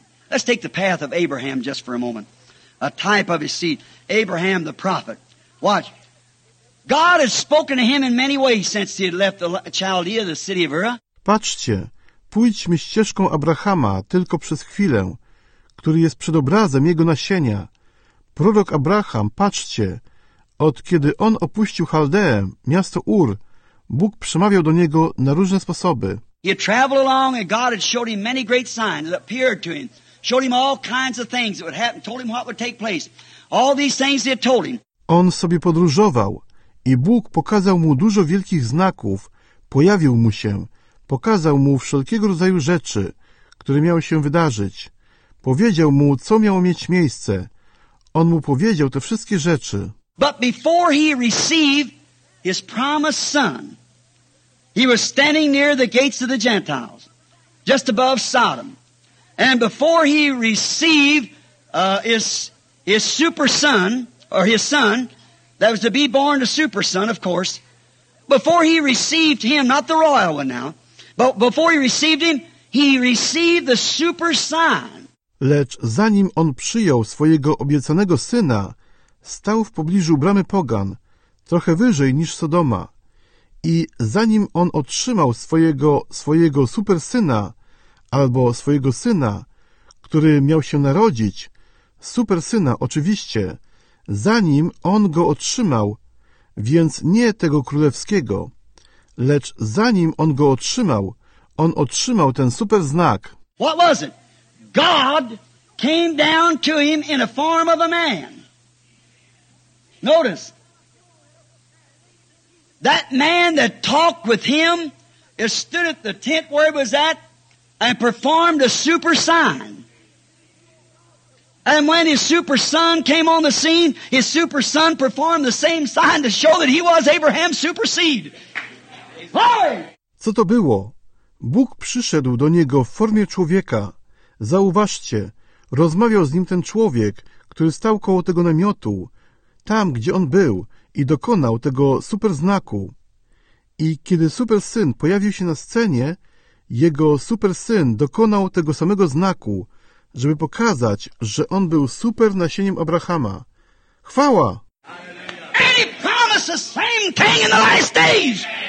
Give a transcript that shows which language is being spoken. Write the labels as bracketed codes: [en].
[en] Let's take the path of Abraham just for a moment. A type of his seed. Abraham the prophet. Watch. God has spoken to him in many ways since he had left the Chaldea, the city of Ur. [pl] Patrzcie, pójdźmy ścieżką Abrahama tylko przez chwilę, który jest przedobrazem jego nasienia. Prorok Abraham, patrzcie, od kiedy on opuścił Chaldeę, miasto Ur, Bóg przemawiał do niego na różne sposoby. [en] He had traveled along and God had showed him many great signs that appeared to him. Showed him all kinds of things that would happen, told him what would take place. All these things he had told him. [pl] On sobie podróżował i Bóg pokazał mu dużo wielkich znaków, pojawił mu się, pokazał mu wszelkiego rodzaju rzeczy, które miały się wydarzyć. Powiedział mu, co miało mieć miejsce. On mu powiedział te wszystkie rzeczy. [en] But before he received his promised son, he was standing near the gates of the Gentiles, just above Sodom. And before he received his super son, or his son, that was to be born a super son, of course, before he received him, not the royal one now, but before he received him, he received the super sign. [pl] Lecz zanim on przyjął swojego obiecanego syna, stał w pobliżu bramy pogan, trochę wyżej niż Sodoma. I zanim on otrzymał swojego supersyna, albo swojego syna, który miał się narodzić, supersyna oczywiście, zanim on go otrzymał, więc nie tego królewskiego, lecz zanim on go otrzymał, on otrzymał ten super znak. [en] What was it? God came down to him in a form of a man. Notice. That man that talked with him stood at the tent where he was at and performed a super sign. And when his super son came on the scene, his super son performed the same sign to show that he was Abraham's super seed. Glory! [pl] Co to było? Bóg przyszedł do niego w formie człowieka. Zauważcie, rozmawiał z nim ten człowiek, który stał koło tego namiotu, tam, gdzie on był, i dokonał tego super znaku. I kiedy super syn pojawił się na scenie, jego super syn dokonał tego samego znaku, żeby pokazać, że on był super nasieniem Abrahama. Chwała! [en] And he promised the same thing in the last days.